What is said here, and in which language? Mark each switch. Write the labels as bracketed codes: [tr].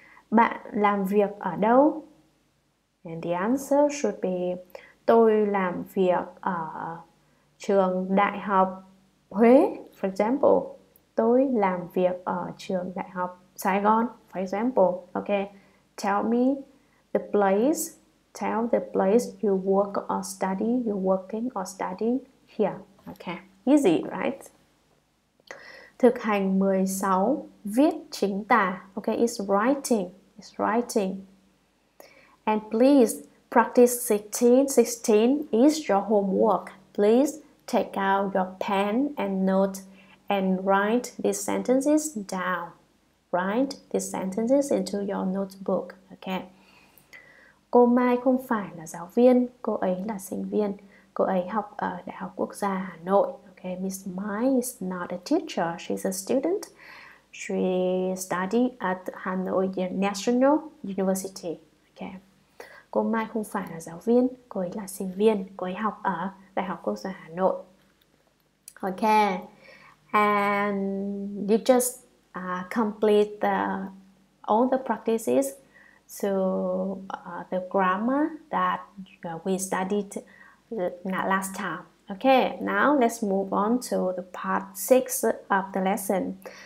[vi] Bạn làm việc ở đâu? [en] And the answer should be [vi] tôi làm việc ở trường Đại học Huế, [en] for example. [vi] Tôi làm việc ở trường Đại học Sài Gòn, [en] for example. Okay, tell me the place. Tell the place you work or study, you're working or studying here. Okay, easy, right? [vi] Thực hành 16. Viết chính tả. [en] Okay, it's writing. It's writing. And please practice 16. 16 is your homework. Please take out your pen and note and write these sentences down. Write these sentences into your notebook. Okay. [vi] Cô Mai không phải là giáo viên, cô ấy là sinh viên. Cô ấy học ở Đại học Quốc gia Hà Nội. [en] Okay, Miss Mai is not a teacher, she's a student. She studied at Hà Nội National University. Okay. [vi] Cô Mai không phải là giáo viên, cô ấy là sinh viên, cô ấy học ở Đại học Quốc gia Hà Nội. [en] Okay. And you just complete all the practices to the grammar that we studied last time. Okay, now let's move on to the part 6 of the lesson.